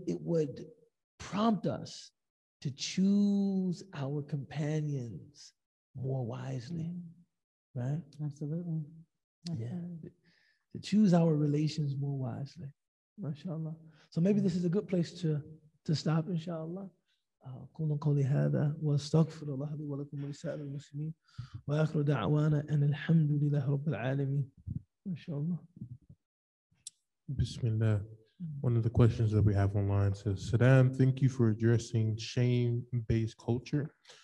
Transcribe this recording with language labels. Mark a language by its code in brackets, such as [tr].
[en] It would prompt us to choose our companions more wisely, mm. right? Absolutely. To choose our relations more wisely, mashallah. So maybe this is a good place to stop, inshallah. [ar] أقول قولي هذا وأستغفر الله لي ولكم ولسائر المسلمين وآخر دعوانا أن الحمد لله رب العالمين ما شاء الله بسم الله. [en] One of the questions that we have online says, Saddam, thank you for addressing shame-based culture.